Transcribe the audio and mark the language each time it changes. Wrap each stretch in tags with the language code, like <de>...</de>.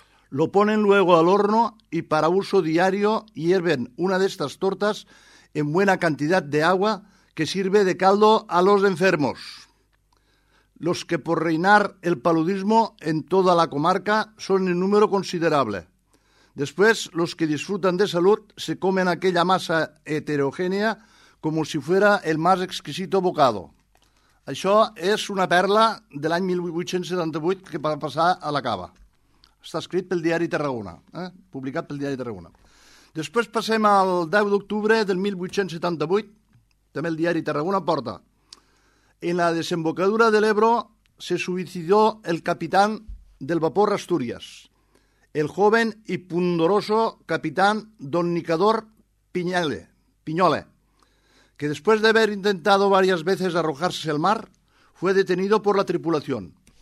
<es>Lo ponen luego al horno y para uso diario hierven una de estas tortas en buena cantidad de agua que sirve de caldo a los enfermos. Los que por reinar el paludismo en toda la comarca son en número considerable. Después, los que disfrutan de salud se comen aquella masa heterogénea como si fuera el más exquisito bocado.</es> <ca>Això és una perla de l'any 1878 que va passar a la Cava. Està escrit pel diari Tarragona, publicat pel diari Tarragona. Després passem al 10/10/1878, també el diari Tarragona porta.</ca> <es>En la desembocadura de l'Ebro se suicidó el capitán del vapor Asturias, el joven y pundoroso capitán don Nicador Piñole, que después de haber intentado varias veces arrojarse al mar, fue detenido por la tripulación.</es>